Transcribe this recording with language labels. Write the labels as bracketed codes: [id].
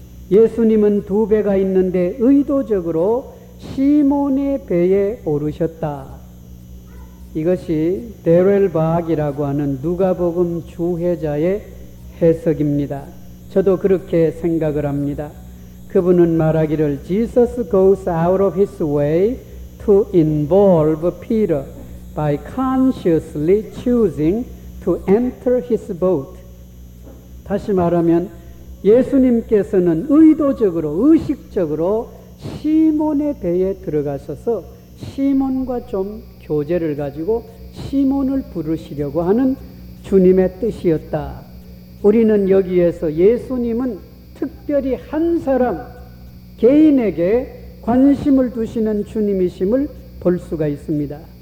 [ko] 예수님은 두 배가 있는데 의도적으로 시몬의 배에 오르셨다. 이것이 데렐 바악이라고 하는 누가복음 주회자의 해석입니다. 저도 그렇게 생각을 합니다. 그분은 말하기를 [en] Jesus goes out of his way to involve Peter by consciously choosing to enter his boat. [ko] 다시 말하면 예수님께서는 의도적으로 의식적으로 시몬의 배에 들어가셔서 시몬과 좀 교제를 가지고 시몬을 부르시려고 하는 주님의 뜻이었다. 우리는 여기에서 예수님은 특별히 한 사람 개인에게 관심을 두시는 주님이심을 볼 수가 있습니다.